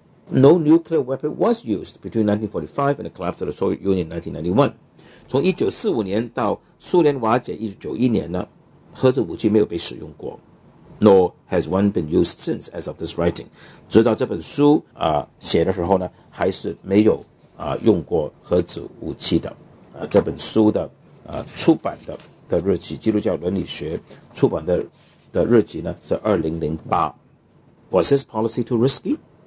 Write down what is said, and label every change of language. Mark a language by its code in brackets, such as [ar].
[en] No nuclear weapon was used between 1945 and the collapse of the Soviet Union in 1991. [zh] 从1945年到苏联瓦解1991年呢，核子武器没有被使用过。 [en] Nor has one been used since as of this writing. [zh] 直到这本书写的时候呢，还是没有用过核子武器的。这本书的出版的日期，基督教伦理学出版的日期呢是2008。 [en] Was this policy too risky?